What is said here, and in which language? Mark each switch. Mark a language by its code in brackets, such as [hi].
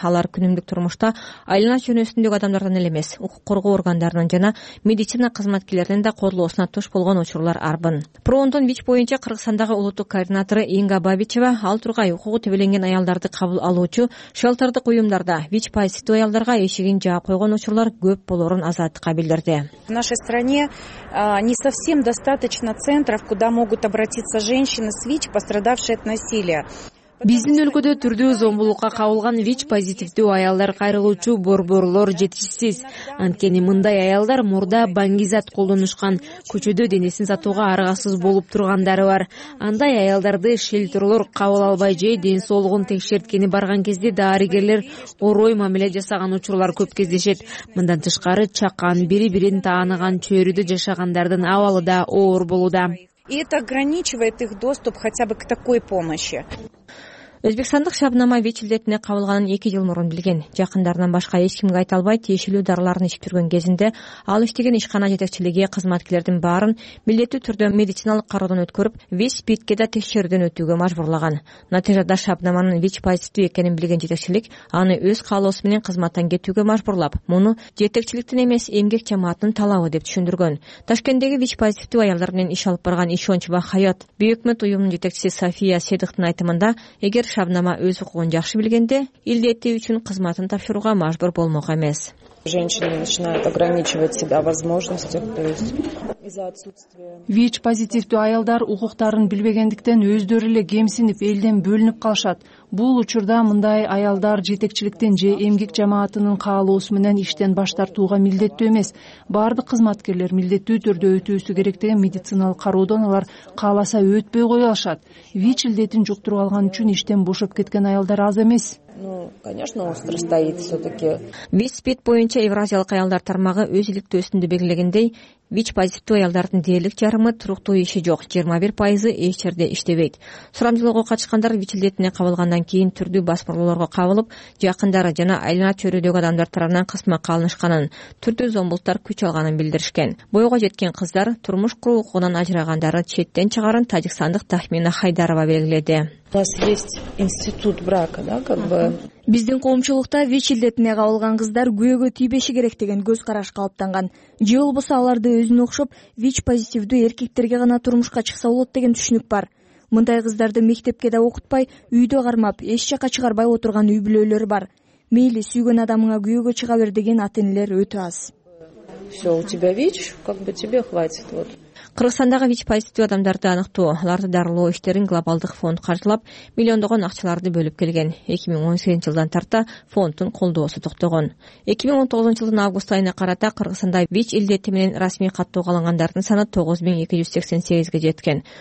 [ky] Алар күнүмдүк турмушта айлана чөйрөсүндөгү адамдардан эле эмес, укук коргоо органдарынын жана медицина кызматкерлеринин да кордоосуна туш болгон учурлар арбын. Проондун ВИЧ боюнча Кыргызстандагы улуттук координатору Инга Бабичева ал тургай укугу тебеленген аялдарды кабыл алуучу шелтерди уюмдарда ВИЧ позитивдүү аялдарга эшигин жаап койгон учурлар көп болорун Азаттыкка билдирди. [ru] В нашей стране не совсем достаточно центров, куда могут обратиться женщины с ВИЧ, пострадавшие от насилия. [ky] Биздин өлкөдө түрдүү зомбулукка кабылган ВИЧ позитивдүү аялдар кайрылуучу борборлор жетишсиз. Анткени мындай аялдар мурда бангизат колдонушкан, көчөдө денесин сатууга аргасыз болуп тургандары бар. Андай аялдарды шелтерлор кабыл албай же ден соолугун текшерткени барган кезде дарыгерлер орой мамиле жасаган учурлар көп кездешет. Мындан тышкары чакан, бири-бирин тааныган чөйрөдө жашагандардын абалы да оор болууда. [ru] И это ограничивает их доступ хотя бы к такой помощи. [ky] Өзбекстандык Шабнама ВИЧ илдетине кабылганын 2 жыл мурун билген. Жакындарынан башка эч кимге айта албай тиешелүү дарыларын ичип жүргөн кезинде ал иштеген ишкана жетекчилиги кызматкерлердин баарын милдеттүү түрдө медициналык кароодон өткөрүп, ВИЧ спидке да текшерүүдөн өтүүгө мажбурлаган. Натыйжада Шабнаманын ВИЧ позитивдүү экенин билген жетекчилик аны өз каалоосу менен кызматтан кетүүгө мажбурлап, муну жетекчиликтин эмес эмгек жамааттын талабы деп түшүндүргөн. Ташкенттеги ВИЧ позитивдүү аялдар менен иш алып барган Ишонч Бахайот Бөйөкмөт уюмунун жетекчиси София Седыктын айтымында эгер Шабнама өз укугун жакшы билгенде илдети үчүн кызматын тапшырууга мажбур болмок эмес. [ru] Женщины начинают ограничивать себя возможностях, то есть из-за отсутствия. [ky] ВИЧ позитивдүү аялдар укуктарын билбегендиктен өздөрү эле кемсинип, элден бөлүнүп калышат. Бул учурда мындай аялдар жетекчиликтен же эмгек жамаатынын каалоосу менен иштен баш тартууга милдеттүү эмес. Бардык кызматкерлер милдеттүү түрдө өтүүсү керек деген медициналык кароодон алар кааласа өтпөй кое алышат. ВИЧ илдетин жуктуруп алган үчүн иштен бошоп кеткен аялдар аз эмес. [ru] Ну, конечно, остро стоит все-таки. [ky] ВИЧ спид боюнча Евразиялык аялдар тармагы өз иликтөөсүндө белгилегендей, ВИЧ позитивдүү аялдардын дээрлик жарымы туруктуу иши жок, 21% эч жерде иштебейт. Сурамжылоого катышкандар ВИЧ илдетине кабылгандан кийин түрдүү басмырлоолорго кабылып, жакындары жана айлана чөйрөдөгү адамдар тарабынан кысмакка алынышканын, түрдүү зомбулуктар күч алганын билдиришкен. Боюга жеткен кыздар турмуш куруу укугунан ажырагандары четтен чыгарын тажикстандык Тахмина Хайдарова белгиледи. [ru] У нас есть институт брака, да, как бы. [ky] Биздин коомчулукта ВИЧ илдетине кабылган кыздар күйөөгө тийбеши керек деген көз караш калыптанган. Же болбосо аларды өзүнө окшоп, ВИЧ позитивдүү эркектерге гана турмушка чыкса болот деген түшүнүк бар. Мындай кыздарды мектепке да окутпай, үйдө кармап, эч жака чыгарбай отурган үй бүлөлөр бар. Мейли сүйгөн адамыңа күйөөгө чыга бер деген ата-энелер өтө аз. [ru] Все, у тебя ВИЧ, как бы тебе хватит вот. [ky] Кыргызстандагы вич позитивдүү адамдарды аныктоо, аларды дарылоо иштерин глобалдык фонд каржылап, миллиондогон акчаларды бөлүп келген. 2018 жылдан тарта фонддун колдоосу токтогон. 2019 жылдын август айына карата Кыргызстанда вич илдети менен расмий каттоо алгандардын саны 9288 жеткен.